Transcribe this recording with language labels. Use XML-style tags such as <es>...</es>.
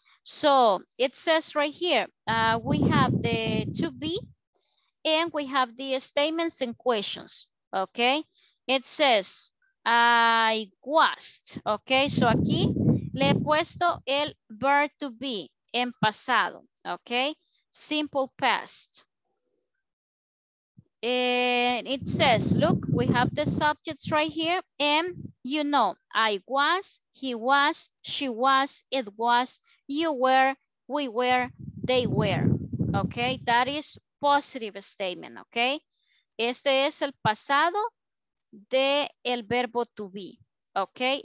<en>So it says right here, we have the to be and we have the statements and questions, okay? It says, I was, okay?</en> <es>So aquí le he puesto el verb to be en pasado, okay?</es> <en>Simple past. And it says, look, we have the subjects right here and you know, I was, he was, she was, it was, you were, we were, they were. Okay, that is positive statement, okay?</en> <es>Este es el pasado de el verbo to be, okay?</es>